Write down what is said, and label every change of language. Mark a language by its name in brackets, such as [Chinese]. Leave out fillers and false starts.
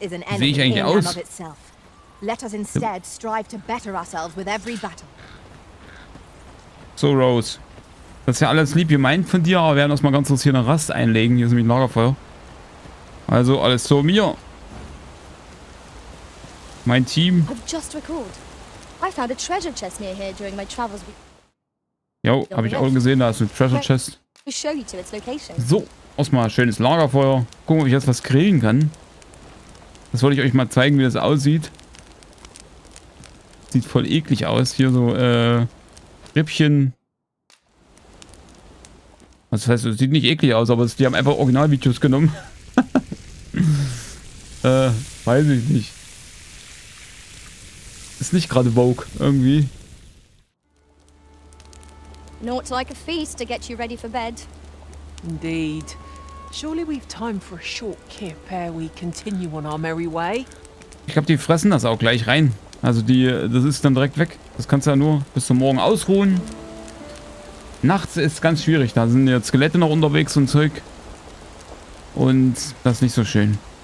[English] is an enemy in and of itself. Let us instead strive to better ourselves with every battle. [German] So, Rose. Das ist ja alles lieb gemeint von dir, aber wir werden uns mal ganz kurz hier eine Rast einlegen. Hier ist nämlich ein Lagerfeuer. Also, alles so mir. Mein Team. [English] I've just recalled. I found a treasure chest near here during my travels. [German] Jo, habe ich auch gesehen, da ist eine Treasure Chest. So, erstmal schönes Lagerfeuer. Gucken, ob ich jetzt was grillen kann. Das wollte ich euch mal zeigen, wie das aussieht. Sieht voll eklig aus. Hier so, Rippchen. Was heißt, es sieht nicht eklig aus, aber die haben einfach Originalvideos genommen. weiß ich nicht. Ist nicht gerade Vogue, irgendwie. [English] Not like a feast to get you ready for bed. Indeed. Surely we've time for a short kip ere we continue on our merry way. [German] Ich glaube, die fressen das auch gleich rein. Also die, das ist dann direkt weg. Das kannst du ja nur bis zum Morgen ausruhen. Nachts ist ganz schwierig. Da sind ja Skelette noch unterwegs und Zeug. Und das ist nicht so schön.